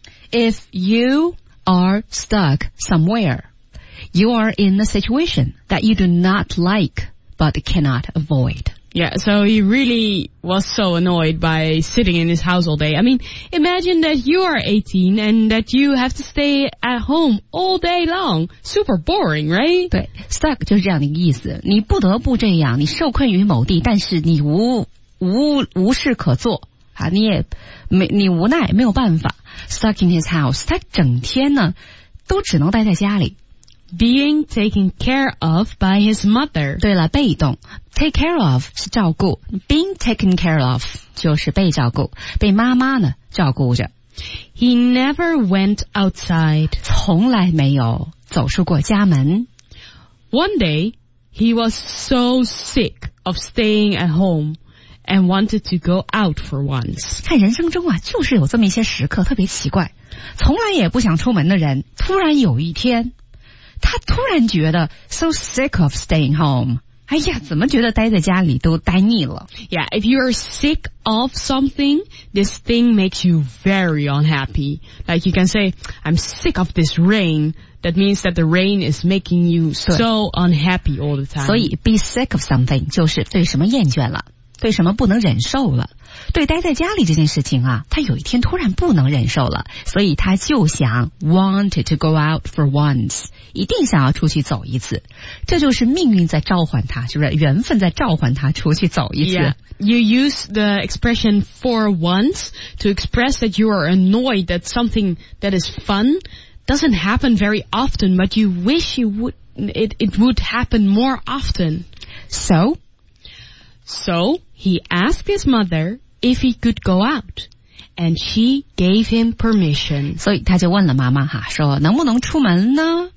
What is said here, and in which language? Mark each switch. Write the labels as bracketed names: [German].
[English] If you are stuck somewhere, you are in a situation that you do not like but cannot avoid. Yeah, so he really was so annoyed by sitting in his house all day. I mean, imagine that you are 18 and that you have to stay at home all day long. Super boring, right? [Chinese] 对 ,stuck 就是这样的意思。你不得不这样，你受困于某地，但是你无事可做。啊、你无奈没有办法。 [English] Stuck in his house, [Chinese] 他整天呢都只能待在家里。 [English] Being taken care of by his mother. [Chinese] 对了，被动。 [English] Take care of [Chinese] 是照顾。 [English] Being taken care of [Chinese] 就是被照顾。被妈妈呢照顾着。 [English] He never went outside. [Chinese] 从来没有走出过家门。 [English] One day, he was so sick of staying at home and wanted to go out for once. [Chinese] 看人生中啊，就是有这么一些时刻特别奇怪。从来也不想出门的人，突然有一天他突然觉得 [English] so sick of staying home, [Chinese] 哎呀，怎么觉得待在家里都待腻了。 [English] Yeah, if you are sick of something, this thing makes you very unhappy. Like you can say, I'm sick of this rain. That means that the rain is making you so unhappy all the time. [Chinese] 所以 [English] be sick of something [Chinese] 就是对什么厌倦了，对什么不能忍受了。对待在家里这件事情啊，他有一天突然不能忍受了，所以他就想 [English] wanted to go out for once。 [Chinese] 一定想要出去走一次，这就是命运在召唤他，是不是？缘分在召唤他出去走一次。 [English] Yeah, you use the expression for once to express that you are annoyed that something that is fun doesn't happen very often, but you wish it would happen more often. So he asked his mother if he could go out. And she gave him permission. [Chinese] 所以他就问了妈妈哈，说能不能出门呢？